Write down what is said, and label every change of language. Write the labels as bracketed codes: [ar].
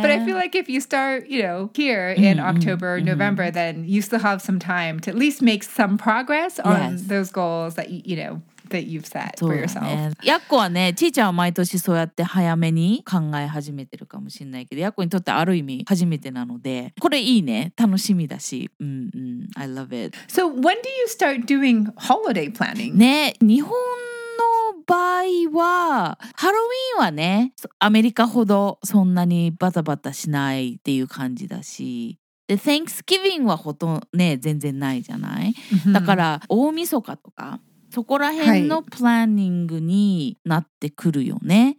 [en] But I feel like if you start, you know, here in October, or November, then you still have some time to at least make some progress on those goals that you know that you've set for yourself. [ja] やっこはね、ちーちゃんは毎年そうやって早めに考え始めてるかもしれないけど、やっこにとってある意味初めてなので、これいいね。楽しみだし。 [en] I love it. So when do you start doing holiday planning? [ja] ね、日本の場合はハロウィーンはね、アメリカほどそんなにバタバタしないっていう感じだし、で、Thanksgiving はほとんどね、全然ないじゃない。だから大晦日とか、そこら辺のプランニングになってくるよね。